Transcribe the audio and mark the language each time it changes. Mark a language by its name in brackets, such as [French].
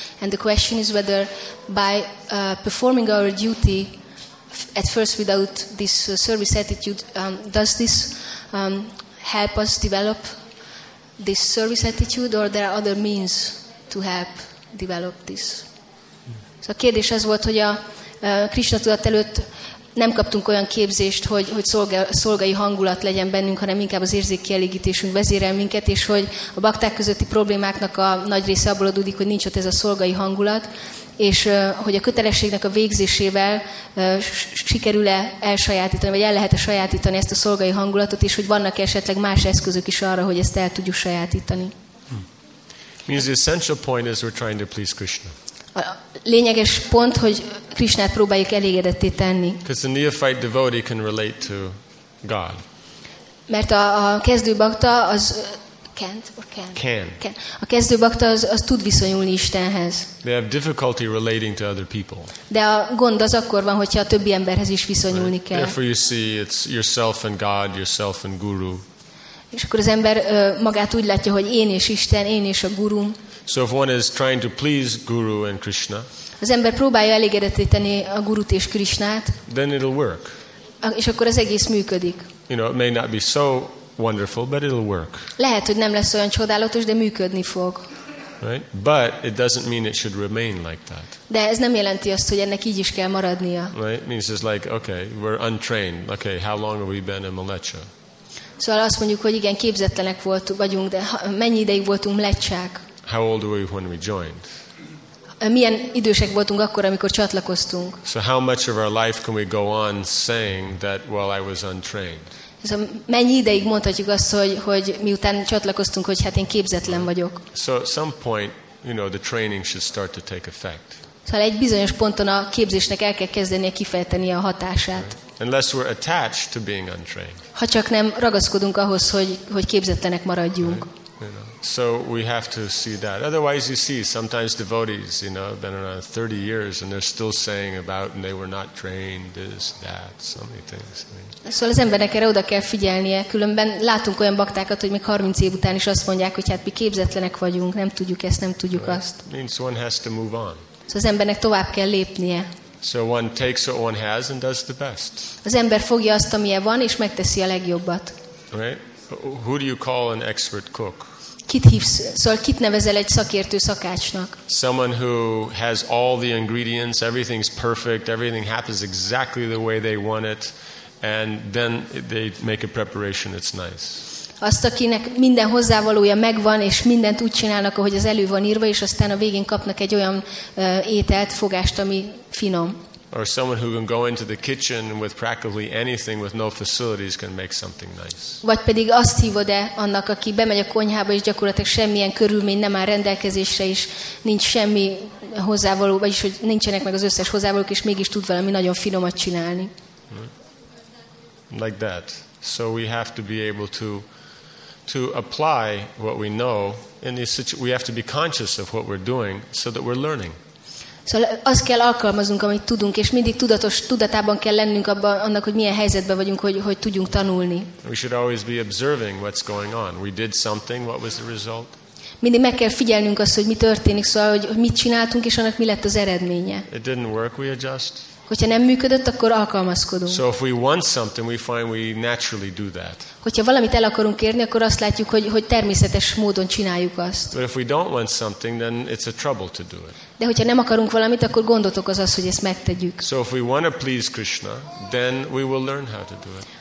[English] And the question is whether by performing our duty at first without this service attitude, does this help us develop this service attitude, or there are other means to help develop this? [Hungarian] So a kérdés az volt, hogy a Krishna tudat előtt nem kaptunk olyan képzést, hogy szolgai hangulat legyen bennünk, hanem inkább az érzékkielégítésünk vezérel minket, és hogy a bakták közötti problémáknak a nagy része abból adódik, hogy nincs ott ez a szolgai hangulat, és hogy a kötelességnek a végzésével sikerül-e elsajátítani, vagy el lehet-e sajátítani ezt a szolgai hangulatot, és hogy vannak esetleg más eszközök is arra, hogy ezt el tudjuk sajátítani. [English] Means the essential point is we're trying to please Krishna. [Hungarian] A lényeges pont, hogy Krisnát próbáljuk elégedetté tenni. [English] Because the neophyte devotee can relate to God. [Hungarian] Mert a kezdő bakta az [English] can't or can. Can. Can. [Hungarian] A kezdőbakta az tud viszonyulni Istenhez. [English] They have difficulty relating to other people. [Hungarian] De a gond az akkor van, hogyha a többi emberhez is viszonyulni right. kell. [English] Therefore you see it's yourself and God, yourself and guru. [Hungarian] És akkor az ember magát úgy látja, hogy én és Isten, én és a gurum. [English] So if one is trying to please guru and Krishna. [Hungarian] Az ember próbálja elégedetíteni a gurut és Krishnát. [English] Then it'll work. [Hungarian] És akkor az egész működik. [English] You know, it may not be so wonderful, but it'll work. [Hungarian] Lehet, hogy nem lesz olyan csodálatos, de működni fog. [English] Right? But it doesn't mean it should remain like that. [Hungarian] De ez nem jelenti azt, hogy ennek így is kell maradnia. [English] Right? It means it's like, okay, we're untrained. Okay, how long have we been in Mlecha? [Hungarian] Szóval azt mondjuk, hogy igen, képzettenek voltunk, vagyunk, de mennyi ideig voltunk Mlecsák? [English] How old were we when we joined? [Hungarian] Milyen idősek voltunk akkor, amikor csatlakoztunk? [English] So how much of our life can we go on saying that, well, I was untrained? [Hungarian] Szóval mennyi ideig mondhatjuk azt, hogy miután csatlakoztunk, hogy hát én képzetlen vagyok. [English] So at some point, you know, the training should start to take effect. [Hungarian] Szóval egy bizonyos ponton a képzésnek el kell kezdenie kifejteni a hatását. [English] Right. Unless we're attached to being untrained. [Hungarian] Ha csak nem ragaszkodunk ahhoz, hogy képzettenek maradjunk. [English] Right. You know, so we have to see that. Otherwise, you see, sometimes devotees, you know, have been around 30 years and they're still saying about and they were not trained, this, that, so many things. [Hungarian] Szóval az embernek erre oda kell figyelnie. Különben látunk olyan baktákat, hogy még 30 év után is azt mondják, hogy hát mi képzetlenek vagyunk, nem tudjuk ezt, nem tudjuk azt. [English] Means one has to move on. [Hungarian] Szóval az embernek tovább kell lépnie. [English] So one takes what one has and does the best. [Hungarian] Az ember fogja azt, amilyen van, és megteszi a legjobbat. [English] Right? Who do you call an expert cook? [Hungarian] Kit hívsz? Szóval kit nevezel egy szakértő szakácsnak? [English] Someone who has all the ingredients, everything's perfect, everything happens exactly the way they want it, and then they make a preparation, it's nice. [Hungarian] Azt, akinek minden hozzávalója megvan, és mindent úgy csinálnak, ahogy az elő van írva, és aztán a végén kapnak egy olyan ételt, fogást, ami finom. [English] Or someone who can go into the kitchen with practically anything with no facilities can make something nice. [Hungarian] Vagy pedig azt hívod-e annak, aki bemegy a konyhába és gyakorlatilag semmilyen körülmény nem áll rendelkezésre is, nincs semmi hozzávaló, vagyis hogy nincsenek meg az összes hozzávalók, és mégis tud valami nagyon finomat csinálni. [English] Like that. So we have to be able to apply what we know in this situation. We have to be conscious of what we're doing so that we're learning. [Hungarian] Szóval azt kell alkalmaznunk, amit tudunk, és mindig tudatában kell lennünk abban, annak, hogy milyen helyzetben vagyunk, hogy tudjunk tanulni. [English] We should always be observing what's going on. We did something, what was the result? [Hungarian] Mindig meg kell figyelnünk azt, hogy mi történik, szóval, hogy mit csináltunk, és annak mi lett az eredménye. [English] It didn't work, we adjust. [Hungarian] Hogyha nem működött, akkor alkalmazkodunk. [English] So if we want something, we find we naturally do that. [Hungarian] Hogyha valamit el akarunk érni, akkor azt látjuk, hogy természetes módon csináljuk azt. [English] But if we don't want something, then it's a trouble to do it. [Hungarian] De hogyha nem akarunk valamit, akkor gondot okoz az, hogy ezt megtegyük. [English] So if we want to please Krishna, then we will learn how to do it.